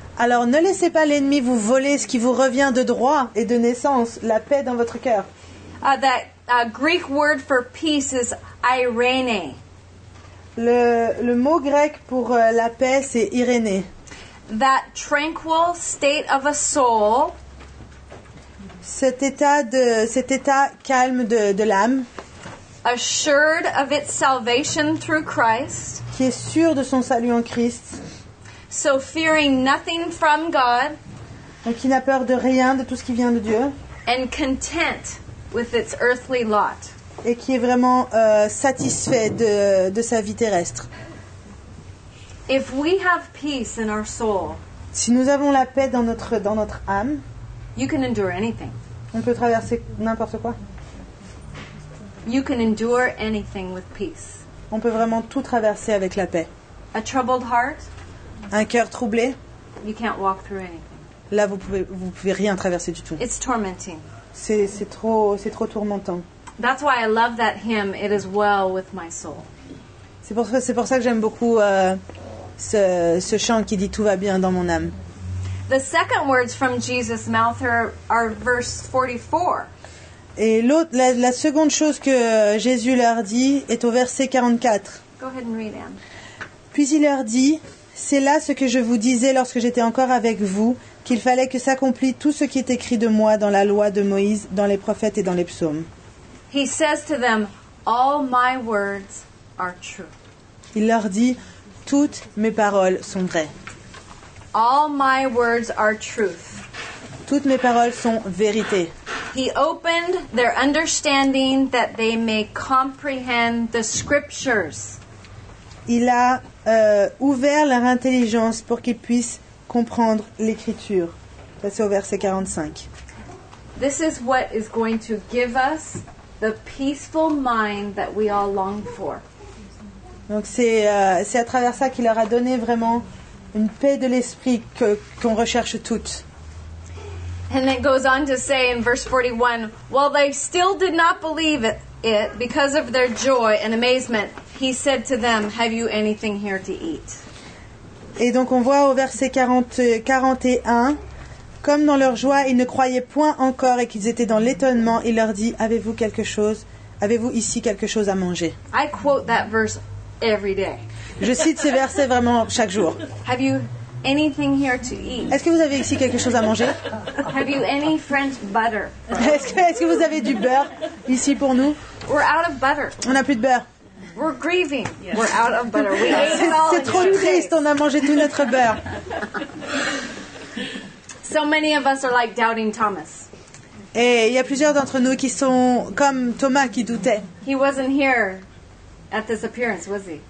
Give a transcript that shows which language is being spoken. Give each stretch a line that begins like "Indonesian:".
French: Alors ne laissez pas l'ennemi vous voler ce qui vous revient de droit et de naissance, la paix dans votre cœur.
English: The Greek word for peace is Irene.
French: Le mot grec pour la paix, c'est Irene.
English: That tranquil state of a soul.
French: Cet état calme de l'âme.
English: Assured of its salvation through Christ.
French: Qui est sûr de son salut en Christ.
English: So fearing nothing from God.
French: Donc qui n'a peur de rien de tout ce qui vient de Dieu.
English: And content. With its earthly lot.
French: et qui est vraiment satisfait de sa vie terrestre.
English: If we have peace in our soul,
French: si nous avons la paix dans notre âme,
English: you can endure anything.
French: On peut traverser n'importe quoi.
English: You can endure anything with peace.
French: On peut vraiment tout traverser avec la paix.
English: A troubled heart,
French: un cœur troublé,
English: you can't walk through anything.
French: Là, vous pouvez rien traverser du tout.
English: It's tormenting.
French: C'est trop tourmentant.
English: That's why I love that hymn. It is well with my soul.
French: C'est pour ça que j'aime beaucoup ce chant qui dit tout va bien dans mon âme.
English: The second words from Jesus' mouth are verse 44.
French: Et la seconde chose que Jésus leur dit est au verset 44.
English: Go ahead and read, Anne.
French: Puis il leur dit, c'est là ce que je vous disais lorsque j'étais encore avec vous, qu'il fallait que s'accomplisse tout ce qui est écrit de moi dans la loi de Moïse, dans les prophètes et dans les psaumes.
English: He says to them, all my words are true.
French: Il leur dit, toutes mes paroles sont vraies.
English: All my words are truth.
French: Toutes mes paroles sont vérité.
English: He opened their understanding that they may comprehend the scriptures.
French: Il a ouvert leur intelligence pour qu'ils puissent comprendre l'écriture. Ça, c'est au verset 45.
English: This is what is going to give us the peaceful mind that we all long for.
French: Donc c'est à travers ça qu'il leur a donné vraiment une paix de l'esprit qu'on recherche toutes.
English: And it goes on to say in verse 41, while they still did not believe it because of their joy and amazement, he said to them, have you anything here to eat?
French: Et donc on voit au verset 41, comme dans leur joie, ils ne croyaient point encore et qu'ils étaient dans l'étonnement, il leur dit, avez-vous ici quelque chose à manger?
English: I quote that verse every day.
French: Je cite ces versets vraiment chaque jour.
English: Have you anything here to eat?
French: Est-ce que vous avez ici quelque chose à manger?
English: Have you any French butter?
French: Est-ce que vous avez du beurre ici pour nous?
English: We're out of butter. On n'a plus de beurre. We're grieving. Yes. We're out of butter. We ate it all.
French: C'est trop triste.
English: Days.
French: On a mangé tout notre beurre.
English: So many of us are like doubting Thomas.
French: Et il y a plusieurs d'entre nous qui sont comme Thomas qui doutait.
English: He wasn't here at this appearance, was he?